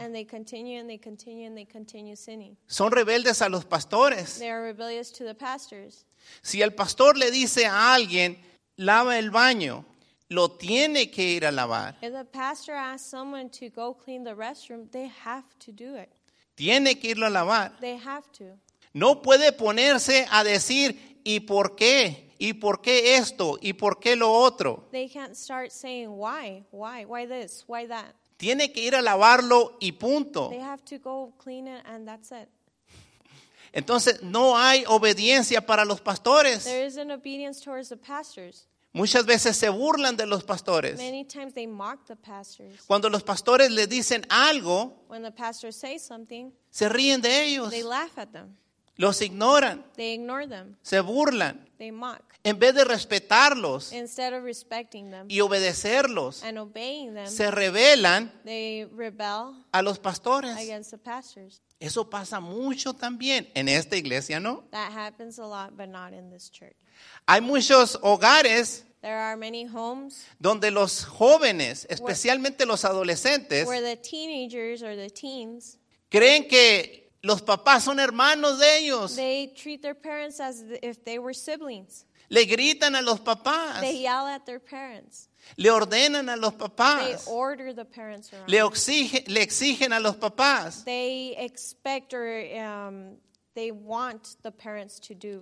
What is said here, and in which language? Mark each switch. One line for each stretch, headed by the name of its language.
English: And they continue, and they continue, and they continue sinning.
Spanish: Son rebeldes a los pastores.
English: They are rebellious to the pastors.
Spanish: Si el pastor le dice a alguien, lava el baño, lo tiene que ir a lavar.
English: If the pastor asks someone to go clean the restroom, they have to do it.
Spanish: Tiene que irlo a lavar.
English: They have to.
Spanish: No puede ponerse a decir, ¿y por qué? ¿Y por qué esto? ¿Y por qué lo otro?
English: They can't start saying why, why, why this, why that.
Spanish: Tiene que ir a lavarlo y punto.
English: They have to go clean it and that's it.
Spanish: Entonces, no hay obediencia para los pastores.
English: There is an obedience towards the pastors.
Spanish: Muchas veces se burlan de los pastores.
English: Many times they mock the pastors.
Spanish: Cuando los pastores les dicen algo,
English: when the pastors say something,
Spanish: se ríen de ellos.
English: They laugh at them.
Spanish: Los ignoran.
English: They ignore them.
Spanish: Se burlan.
English: They mock.
Spanish: En vez de respetarlos.
English: Instead of respecting them.
Spanish: Y obedecerlos.
English: And obeying them.
Spanish: Se rebelan.
English: They rebel.
Spanish: A los pastores.
English: Against the pastors.
Spanish: Eso pasa mucho también. En esta iglesia, ¿no?
English: That happens a lot, but not in this church.
Spanish: Hay muchos hogares.
English: There are many homes.
Spanish: Donde los jóvenes, especialmente los adolescentes.
English: Where the teenagers or the teens.
Spanish: Creen que los papás son hermanos de ellos.
English: They treat their parents as if they were siblings.
Spanish: Le gritan a los papás.
English: They yell at their parents.
Spanish: Le ordenan a los papás.
English: They order the parents around.
Spanish: Le exigen a los papás.
English: They expect or they want the parents to do.